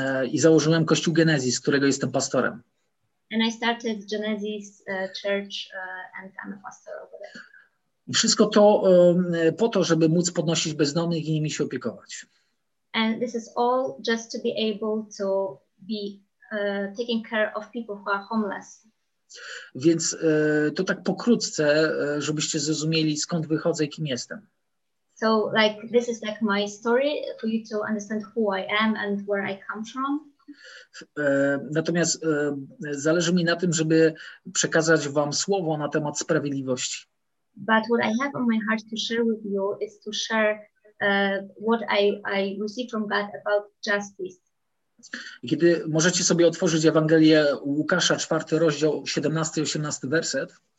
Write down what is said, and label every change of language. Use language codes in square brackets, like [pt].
[pl] I założyłem Kościół Genesis, którego jestem pastorem. [en] And I started Genesis Church and I'm a pastor over there. [pl] I wszystko to po to, żeby móc podnosić bezdomnych i nimi się opiekować. [en] And this is all just to be able to be taking care of people who are homeless. [pl] Więc to tak pokrótce, żebyście zrozumieli, skąd wychodzę i kim jestem. [en] So like this is like my story for you to understand who I am and where I come from. [pl] Natomiast zależy mi na tym, żeby przekazać wam słowo na temat sprawiedliwości. [en] But what I have on my heart to share with you is to share what I received from God about justice. [pl] Kiedy możecie sobie otworzyć Ewangelię Łukasza, 4 rozdział, 17 i 18 werset.